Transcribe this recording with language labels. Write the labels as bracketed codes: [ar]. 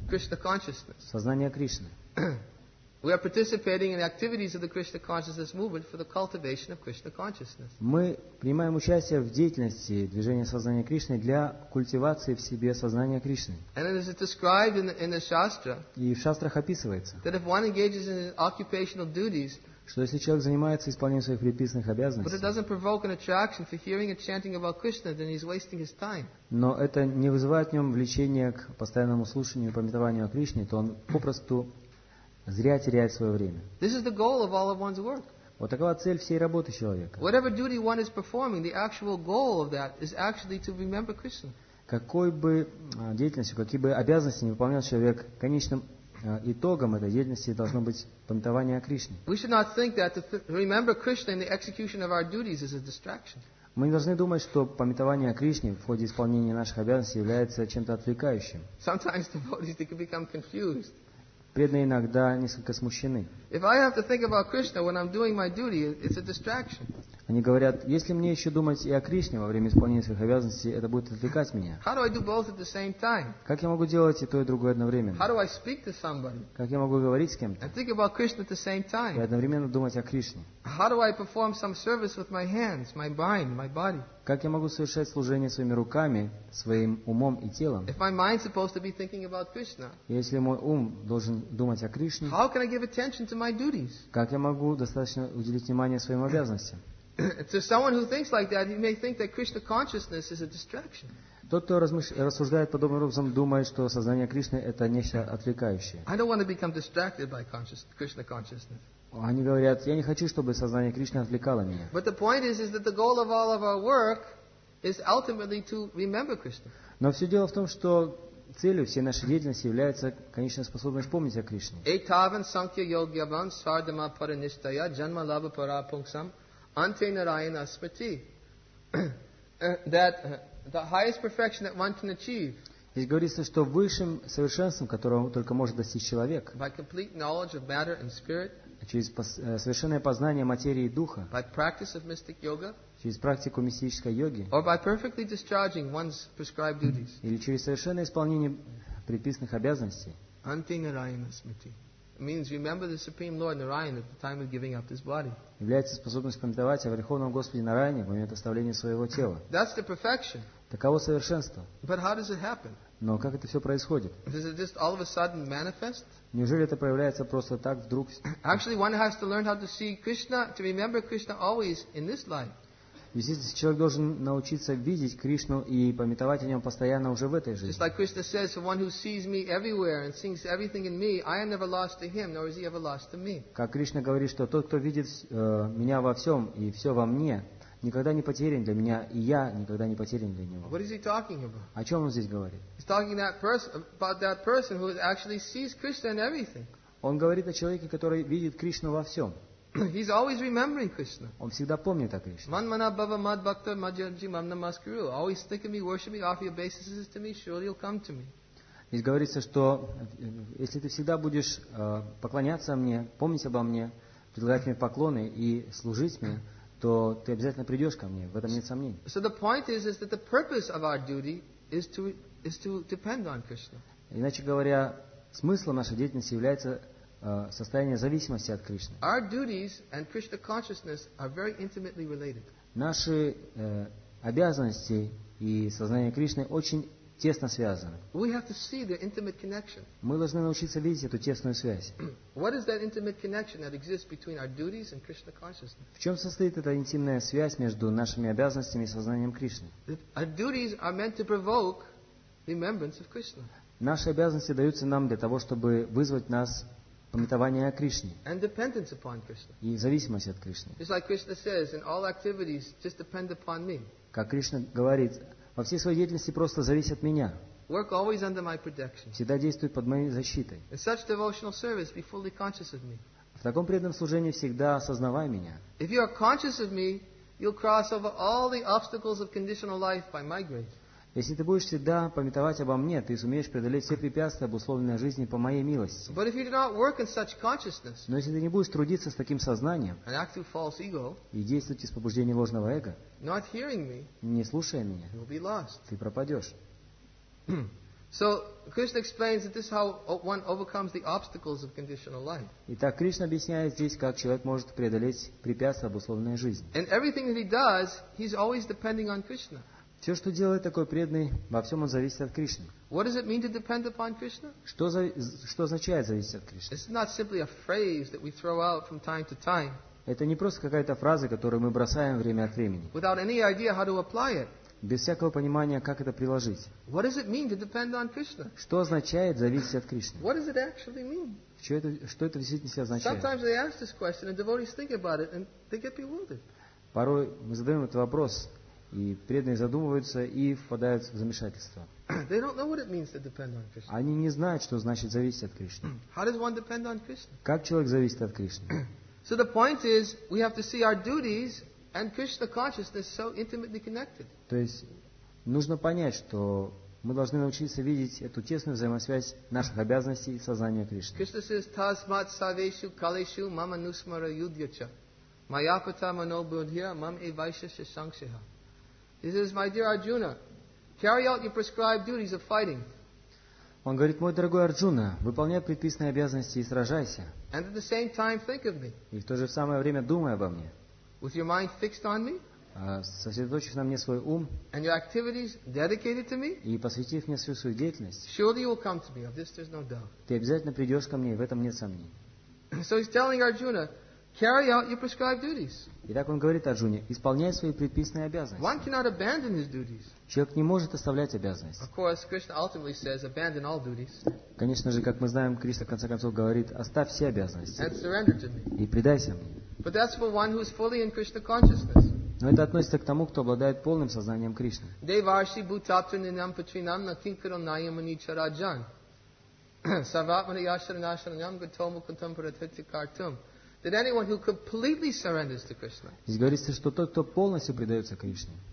[en] Krishna consciousness. [ru] Сознание Кришны. [en] We are participating in the activities of the Krishna consciousness movement for the cultivation of Krishna consciousness. [ru] Мы принимаем участие в деятельности движения сознания Кришны для культивации в себе сознания Кришны. [en] And it is described in the Shastra. [ru] И в шастрах описывается. [en] That if one engages in occupational duties, [ru] что если человек занимается исполнением своих предписанных обязанностей, но это не вызывает в нем влечения к постоянному слушанию и памятованию о Кришне, то он попросту зря теряет свое время. [en] This is the goal of all of one's work. [ru] Вот такова цель всей работы человека. [en] Whatever duty one is performing, the actual goal of that is actually to remember Krishna. [ru] Какой бы деятельностью, какие бы обязанности не выполнял человек, конечным итогом этой деятельности должно быть понтование Кришне. [en] We should not think that to remember Krishna in the execution of our duties is a distraction. [ru] Мы не должны думать, что памятование о Кришне в ходе исполнения наших обязанностей является чем-то отвлекающим. [en] Sometimes devotees can become confused. [ru] Преданные иногда несколько смущены. [en] If I have to think about Krishna when I'm doing my duty, it's a distraction. [ru] Они говорят, если мне еще думать и о Кришне во время исполнения своих обязанностей, это будет отвлекать меня. [en] How do I do both at the same time? [ru] Как я могу делать и то, и другое одновременно? [en] How do I speak to somebody? [ru] Как я могу говорить с кем-то? [en] And think about Krishna at the same time. [ru] И одновременно думать о Кришне. [en] How do I perform some service with my hands, my mind, my body? [ru] Как я могу совершать служение своими руками, своим умом и телом? [en] If my mind's supposed to be thinking about Krishna, [ru] если мой ум должен думать о Кришне, [en] how can I give attention to my duties? [ru] Как я могу достаточно уделить внимание своим обязанностям? [en] To someone who thinks like that, he may think that Krishna consciousness is a distraction. [ru] Тот, кто рассуждает подобным образом, думает, что сознание Кришны это нечто отвлекающее. [en] I don't want to become distracted by Krishna consciousness. [ru] Они говорят, я не хочу, чтобы сознание Кришны отвлекало меня. [en] But the point is that the goal of all of our work is ultimately to remember Krishna. [ru] Но все дело в том, что целью всей нашей деятельности является конечная способность помнить о Кришне. [sa] Этавен санкья йогьяван сардама паринистая джанма лаба пара пунксам. Ante Narayana Smriti. [en] That the highest perfection that one can achieve. [ru] Здесь говорится, что высшим совершенством, которого только может достичь человек. [en] By complete knowledge of matter and spirit. [ru] Через совершенное познание материи и духа. [en] By practice of mystic yoga. [ru] Через практику мистической йоги. [en] Or by perfectly discharging one's prescribed duties. [ru] Или через совершенное исполнение предписанных обязанностей. [sa] Ante Narayana Smriti. [en] Means remember the Supreme Lord Narayana at the time of giving up his body. [ru] Является способность памятовать о Верховном Господе Нараяне в момент оставления своего тела. [en] That's the perfection. [ru] Таково совершенство. [en] But how does it happen? [ru] Но как это все происходит? [en] Does it just all of a sudden manifest? [ru] Неужели это проявляется просто так вдруг? [en] Actually, one has to learn how to see Krishna, to remember Krishna always in this life. [ru] Действительно, человек должен научиться видеть Кришну и памятовать о нем постоянно уже в этой жизни. [en] Just like Krishna says, for one who sees me everywhere and sees everything in me, I am never lost to him, nor is he ever lost to me. [ru] Как Кришна говорит, что тот, кто видит меня во всем и все во мне, никогда не потерян для меня, и я никогда не потерян для него. [en] What is he talking about? [ru] О чем он здесь говорит? [en] He's talking about that person who actually sees Krishna in everything. [ru] Он говорит о человеке, который видит Кришну во всем. [en] He's always remembering Krishna. [ru] Он всегда помнит о Кришне. [sa] Man mana bhava mad bhaktar majjaji mam namaskaru. [en] Always think of me, worship me, offer your obeisances to me, surely you'll come to me. [ru] Здесь говорится, что если ты всегда будешь поклоняться мне, помнить обо мне, предлагать мне поклоны и служить мне, то ты обязательно придешь ко мне. В этом нет сомнений. [en] So the point is that the purpose of our duty is to depend on Krishna. [ru] Иначе говоря, смыслом нашей деятельности является состояние зависимости от Кришны. [en] Our duties and Krishna consciousness are very intimately related. [ru] Наши обязанности и сознание Кришны очень тесно связаны. [en] We have to see the intimate connection. [ru] Мы должны научиться видеть эту тесную связь. [en] What is that intimate connection that exists between our duties and Krishna consciousness? [ru] В чем состоит эта интимная связь между нашими обязанностями и сознанием Кришны? [en] Our duties are meant to provoke remembrance of Krishna. [ru] Наши обязанности даются нам для того, чтобы вызвать нас памятование о Кришне. [en] And dependence upon Krishna. [ru] И зависимость от Кришны. [en] Just like Krishna says, in all activities, just depend upon me. [ru] Как Кришна говорит, во всей своей деятельности просто зависи от меня. [en] Work always under my protection. [ru] Всегда действуй под моей защитой. [en] In such devotional service, be fully conscious of me. [ru] В таком преданном служении всегда осознавай меня. [en] If you are conscious of me, you'll cross over all the obstacles of conditional life by my grace. [ru] Если ты будешь всегда памятовать обо мне, ты сумеешь преодолеть все препятствия, обусловленные жизни по моей милости. [en] But if you do not work in such consciousness, [ru] но если ты не будешь трудиться с таким сознанием [en] and act through false ego, [ru] и действовать из побуждения ложного эго, [en] not hearing me, [ru] не слушая меня, [en] you will be lost. [ru] Ты пропадешь. Итак, Кришна объясняет здесь, как человек может преодолеть препятствия, обусловленные жизнью. [en] And everything that he does, he's always depending on Krishna. [ru] Все, что делает такой преданный, во всем он зависит от Кришны. [en] What does it mean to depend upon Krishna? [ru] Что означает зависеть от Кришны? [en] It's not simply a phrase that we throw out from time to time. [ru] Это не просто какая-то фраза, которую мы бросаем время от времени. [en] Without any idea how to apply it. [ru] Без всякого понимания, как это приложить. [en] What does it mean to depend on Krishna? [ru] Что означает зависеть от Кришны? [en] What does it actually mean? [ru] Что это действительно означает? [en] Sometimes they ask this question and devotees think about it and they get bewildered. [ru] Порой мы задаем этот вопрос. И преданные задумываются и впадают в замешательство. [en] They don't know what it means to depend on Krishna. [ru] Они не знают, что значит зависеть от Кришны. [en] How does one depend on Krishna? [ru] Как человек зависит от Кришны? [en] So the point is, we have to see our duties and Krishna consciousness so intimately connected. [ru] То есть нужно понять, что мы должны научиться видеть эту тесную взаимосвязь наших обязанностей и сознания Кришны. [en] Krishna says, [sa] "Tasmat saveshu kaleshu mama nusmara yudyacha, mayapata manobuddhya mam evaishya sangseha." [en] He says, "My dear Arjuna, carry out your prescribed duties of fighting." [ru] Он говорит, мой дорогой Арджуна, выполняй предписанные обязанности и сражайся. [en] And at the same time, think of me. [ru] И в то же самое время думай обо мне. [en] With your mind fixed on me. [ru] Сосредоточив на мне свой ум. [en] And your activities dedicated to me. [ru] И посвятив мне всю свою деятельность. [en] Surely you will come to me. Of this there's no doubt. [ru] Ты обязательно придешь ко мне, в этом нет сомнений. [en] So he's telling Arjuna, carry out your prescribed duties. [ru] Итак, он говорит Арджуне, исполняй свои предписанные обязанности. [en] One cannot abandon his duties. [ru] Человек не может оставлять обязанности. [en] Of course, Krishna ultimately says, abandon all duties. [ru] Конечно же, как мы знаем, Кришна в конце концов говорит, оставь все обязанности. [en] And surrender to me. [ru] И предайся мне. [en] But that's for one who's fully in Krishna consciousness. [ru] Но это относится к тому, кто обладает полным сознанием Кришны. [sa] Devarshi bhutaptrininam patrinam nakinkaranayam anicharajan. Savatmana yasharanashanam gatomu kuntamparatitikartum. [en] That anyone who completely surrenders to Krishna. [ru] Здесь говорится, что тот, кто полностью предается Кришне.